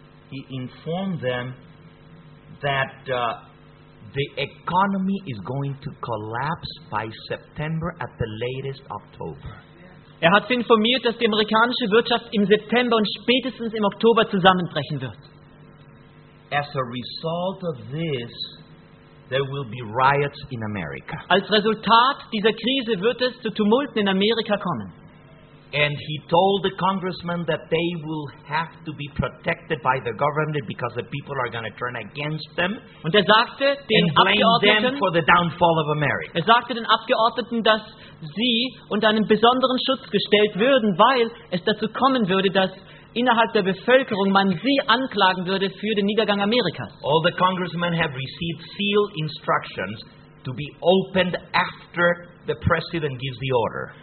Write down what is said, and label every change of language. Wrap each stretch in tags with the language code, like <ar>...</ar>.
<en>He informed them that the economy is going to collapse by September at the latest October.</en> <de>Er hat informiert, dass die amerikanische Wirtschaft im September und spätestens im Oktober zusammenbrechen wird.</de> <en>As a result of this, there will be riots in America.</en> <de>Als Resultat dieser Krise wird es zu Tumulten in Amerika kommen.</de> <en>And he told the congressmen that they will have to be protected by the government because the people are going to turn against them.</en> <de>Und er sagte den Abgeordneten</de> <en>for the downfall of America.</en> <de>Er sagte den Abgeordneten, dass sie unter einen besonderen Schutz gestellt würden, weil es dazu kommen würde, dass innerhalb der Bevölkerung man sie anklagen würde für den Niedergang Amerikas.</de> <en>All the congressmen have received sealed instructions to be opened after the president gives the order.</en>